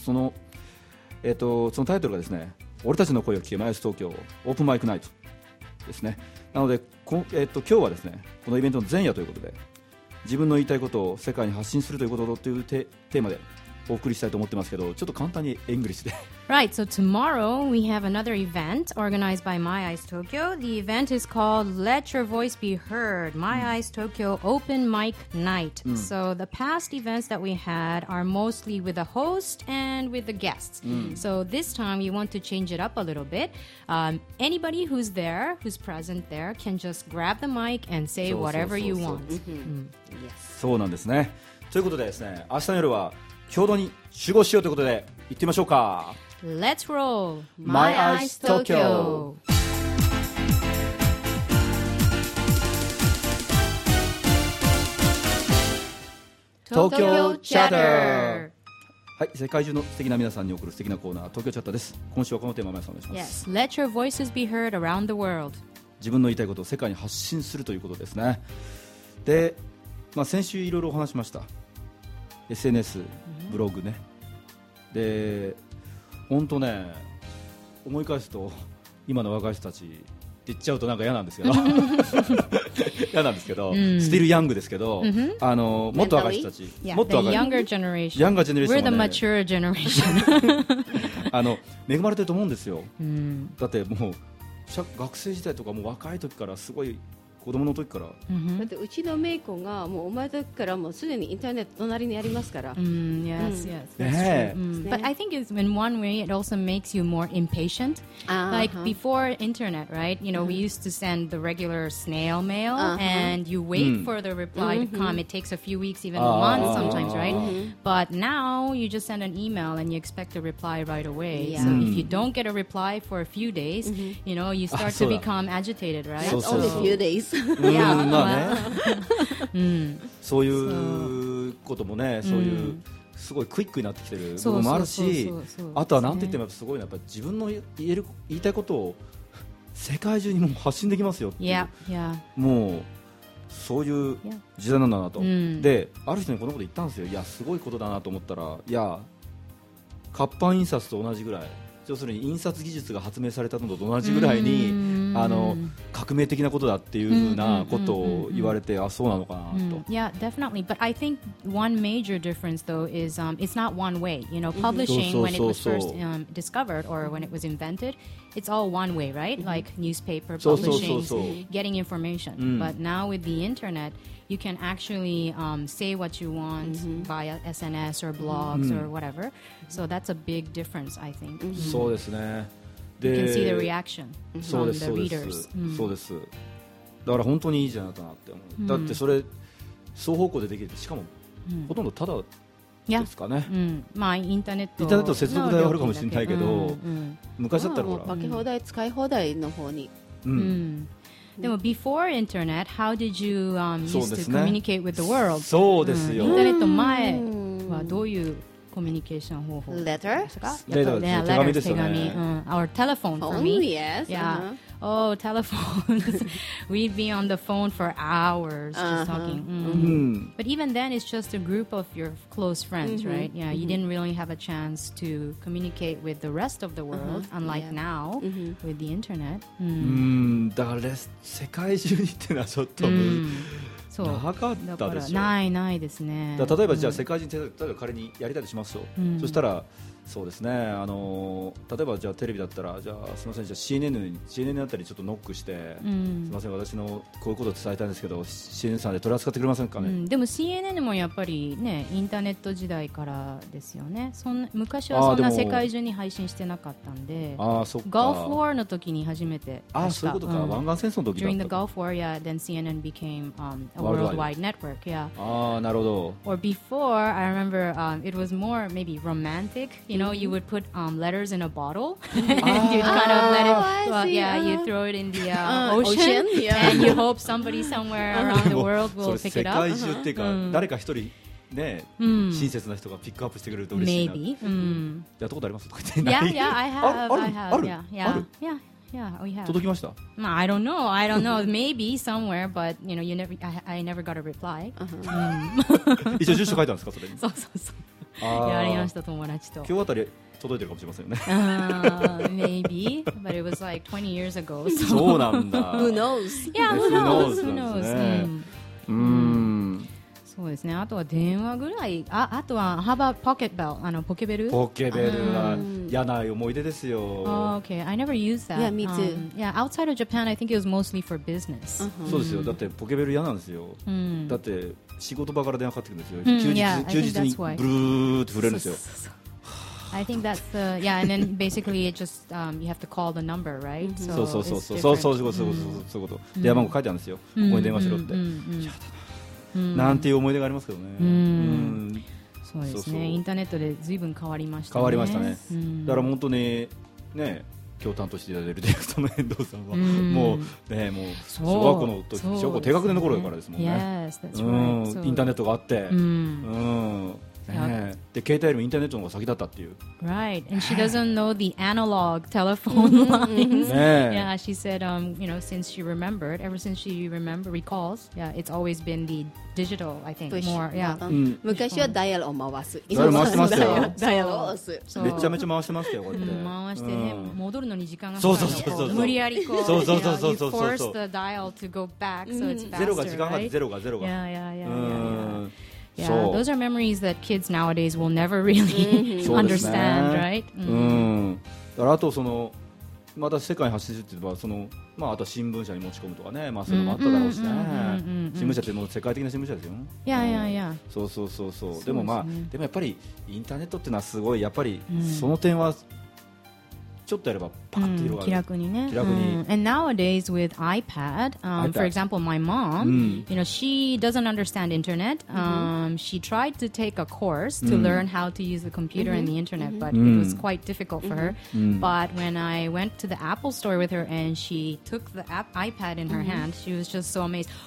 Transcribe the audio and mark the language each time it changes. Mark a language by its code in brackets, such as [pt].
[ja] そのタイトルがですね、俺たちの声を聞けマイアス東京オープンマイクナイトですね。なので今日はですね、このイベントの前夜ということで、自分の言いたいことを世界に発信するということという テーマでお送りしたいと思ってますけど、ちょっと簡単にイングリッシュで。 [en] Right, so tomorrow we have another event organized by My Eyes Tokyo. The event is called Let Your Voice Be Heard, My Eyes Tokyo Open Mic Night. So the past events that we had are mostly with the host and with the guests. So this time you want to change it up a little bit. Anybody who's there, who's present there, can just grab the mic and say whatever you want. [ja] そうなんですね。ということでですね、明日の夜は共同に集合しようということで行ってみましょうか。 [en] Let's roll My Eyes Tokyo。 [ja] 東京チャッター、はい、世界中の素敵な皆さんに送る素敵なコーナー、東京チャッターです。今週はこのテーマ、皆さんお願いします。 [en] Yes, let your voices be heard around the world。 [ja] 自分の言いたいことを世界に発信するということですね。で、まあ、先週いろいろお話しました。 SNSブログね。で、本当ね、思い返すと今の若い人たちって言っちゃうとなんか嫌なんですけど、嫌なんですけど、 [en] still young [ja] ですけど、もっと若い人たち、 [en] yeah. [ja] もっと若い、 [en] the younger generation、 younger generation、 we're the mature generation、 [ja] 恵まれてると思うんですよ。だってもう学生時代とかもう若い時からすごい。子供の時から、だってうちのメイコがもうお前の時からもうすでにインターネット隣にありますから。 [en] Yes, yes. That's true. But I think it's in one way it also makes you more impatient. Like before internet, right? You know, we used to send the regular snail mail and you wait for the reply to come. It takes a few weeks, even a month sometimes, right? But now you just send an email and you expect a reply right away. So if you don't get a reply for a few days, you know, you start to become agitated, right? That's only a few days. [ja] そういうこともね、そういう、うん、すごいクイックになってきてる部分もあるし、あとはなんて言ってもすごいな、やっぱ自分の言いたいことを世界中にも発信できますよっていう、 [en] yeah. Yeah. [ja] もうそういう時代なんだなと、yeah. で、ある人にこのこと言ったんですよ。いやすごいことだなと思ったら、いや活版印刷と同じぐらい、要するに印刷技術が発明されたのと同じぐらいに、mm-hmm. あの革命的なことだっていうふうなことを言われて、mm-hmm. あ、そうなのかなと。 [en] Yeah, definitely. But I think one major difference though is it's not one way. You know, publishing when it was first discovered or when it was invented, it's all one way, right? Like newspaper publishing, getting information. But now with the internet, you can actually say what you want via SNS or blogs or whatever. So that's a big difference, I think. [ja] そうですね。 [en] で、you can see the reaction from the readers. [ja] そうです。だから本当にいいじゃないかなって思う。だってそれ双方向でできる。しかもほとんどただですかね。まあインターネット。インターネット接続代はあるかもしれないけど、昔だったらほら。化け放題、使い放題の方に。 [en] でも before internet, how did you used to communicate with the world? [ja] そうですよ。インターネット前はどういうコミュニケーション方法ですか？Letter、手紙ですよね。 [en] Or telephone for me. Phone, yes. Yeah. Oh, telephones. We'd be on the phone for hours just talking. But even then, it's just a group of your close friends, right? Yeah, you didn't really have a chance to communicate with the rest of the world, unlike now with the internet. [ja] だから世界中にってのはちょっと、なかったでしょ。ないですね。だ例えばじゃあ世界中に、例えば彼にやりたいとしますよ、そしたらそうですね、例えばじゃあテレビだったら、じゃあすみません、じゃあ CNN だったりちょっとノックして、すみません私のこういうことを伝えたいんですけど、 CNN さんで取り扱ってくれませんかね、でも CNN もやっぱりね、インターネット時代からですよね。昔はそんな世界中に配信してなかったんで、ああそっか、ガルフウォーの時に初めて、ああそういうことか、湾岸戦争の時だった。 [en] During the Gulf War, yeah, then CNN became a worldwide network, yeah. [ja] ああなるほど。 [en] Or before, I remember it was more maybe romanticYou know, you would put letters in a bottle and you'd kind of let it, well, yeah, you'd throw it in the ocean yeah. and you hope somebody somewhere around the world will pick it up. [ja] 世界中っていうか、誰か一人ね、親切な人がピックアップしてくれると嬉しいな。 [en] Maybe. [ja] やったことありますとか言ってない。 [en] Yeah, I have. Yeah, we have. [ja] 届きました。 [en] I don't know. Maybe somewhere, but you know, I never got a reply. [ja] 一応住所書いたんですかそれに。そう。やりました友達と。今日あたり届いてるかもしれませんよね。 [en] Maybe, but it was like 20 years ago. So. [ja] そうなんだ。 [en] Who knows? Yeah, who knows? [ja] そうですね。あとは電話ぐらい。あとは [en] How about pocket bell? [ja] ポケベル？ポケベルは嫌な思い出ですよ。 [en] Oh, okay, I never used that. Yeah, me too. Yeah, outside of Japan, I think it was mostly for business. [ja] そうですよ。だってポケベル嫌なんですよ。だって。仕事場から電話かかってくるんですよ。休日にブルーって触れるんですよ。 [en] I think that's the yeah, and then basically it just you have to call the number, right? [ja] そうそう。電話番号書いてあるんですよ。ここに電話しろって。なんていう思い出がありますけどね。そうですね。インターネットで随分変わりましたね。変わりましたね。だから本当にね。今日担当していただいるディレクターの遠藤さんは、もうね、もう小学校の時、小学校低学年の頃からですもんね。 [en] Yes, that's right. [ja] インターネットがあって、ね、で携帯よりもインターネットの方が先だったっていう。 [en] Right, and she doesn't know the analog telephone lines. Yeah, she said, you know, since she remembered, ever since she remembers, recalls, yeah, it's always been the digital, I think, more. Yeah. [ja] 昔はダイヤルを回す。ダイヤル回してましたよ。ダイヤルを回す。めちゃめちゃ回してましたよ、これって。回してね、戻るのに時間がかかる。そう。無理やりこう。そう。 [en] You force the dial to go back, so it's faster. [ja] ゼロが時間がゼロが。 [en] Yeah. Yeah, so, those are memories that kids nowadays will never really understand, right? [ja] だからあとそのまた世界に発信するって言えばその、まあ、あとは新聞社に持ち込むとかね、まあ、それもあっただろうしね。新聞社ってもう世界的な新聞社ですよ。いや。そう、ね、でもまあでもやっぱりインターネットっていうのはすごいやっぱりその点はちょっとやればパッと広がる。気楽にね。 [en] And nowadays with iPad, for example, my mom, you know, she doesn't understand internet. She tried to take a course to learn how to use the computer and the internet, but it was quite difficult for her. But when I went to the Apple store with her and she took the iPad in her hand, she was just so amazed.